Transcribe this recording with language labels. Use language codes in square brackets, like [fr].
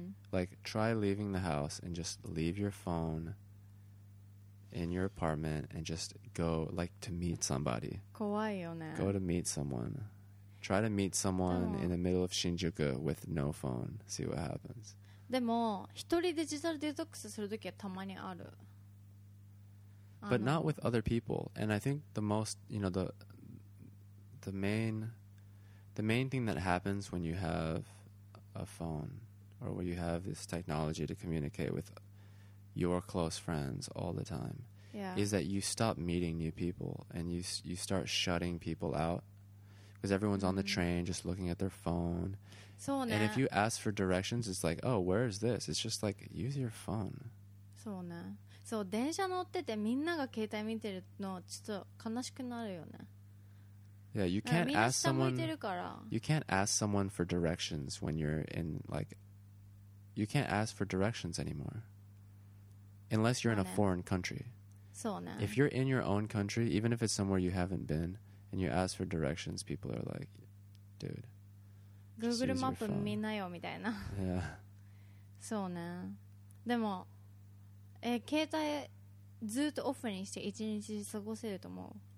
[en] Like, try leaving the house and just leave your phone in your apartment and just go, like, to meet somebody. [ja] 怖いよね。 [en] Go to meet someone. Try to meet someone in the middle of Shinjuku with no phone. See what happens. [ja] でも、一人でデジタルデトックスするときはたまにある。 [en] But not with other people. And I think the most, you know, the main thing that happens when you have a phone or when you have this technology to communicate with your close friends all the time、 yeah. is that you stop meeting new people and you start shutting people out because everyone's、mm-hmm. on the train just looking at their phone. [ja] そうね。 [en] And if you ask for directions, it's like, oh, where is this? It's just like, use your phone. [ja] そうね。そう、電車乗っててみんなが携帯見てるのちょっと悲しくなるよね。 [en] Yeah, you can't ask someone. You can't ask someone for directions when you're in like. You can't ask for directions anymore. Unless you're in a foreign country. [ja] そうね。 [en] If you're in your own country, even if it's somewhere you haven't been, and you ask for directions, people are like, "Dude." [ja] Google マップ見なよみたいな。 [en] Yeah. [ja] そうね。でも、携帯ずっとオフにして一日過ごせると思う。